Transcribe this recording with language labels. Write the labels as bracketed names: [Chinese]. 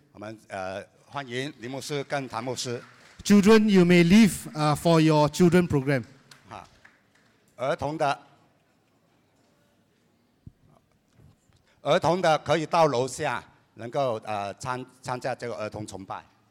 [Chinese] 我们, 欢迎林牧师跟谭牧师。 [English] Children, you may leave for your children program. [Chinese] 啊, 儿童的, 儿童的可以到楼下, 能够, 参加这个儿童崇拜。